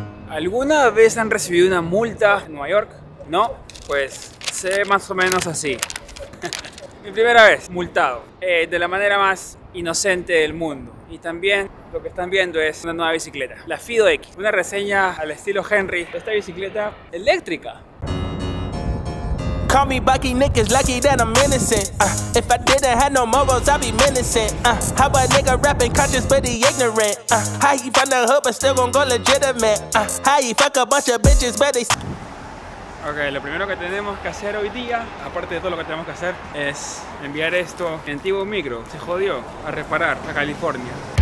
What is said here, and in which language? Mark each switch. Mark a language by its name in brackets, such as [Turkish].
[Spanish] ¿Alguna vez han recibido una multa en Nueva York? No, pues sé más o menos así. Mi primera vez, multado. De la manera más inocente del mundo. Y también lo que están viendo es una nueva bicicleta. La Fido X. Una reseña al estilo Henry. Esta bicicleta eléctrica. [English] Call me Bucky Nick, it's lucky that I'm innocent. If I didn't have no morals, I'd be menacing. How a nigga rapping conscious, but he ignorant. How he find a hood, but still gon' go legitimate. How he fuck a bunch of bitches, but they... [Spanish] Ok, lo primero que tenemos que hacer hoy día, aparte de todo lo que tenemos que hacer, es enviar esto a mi antiguo micro. Se jodió a reparar a California.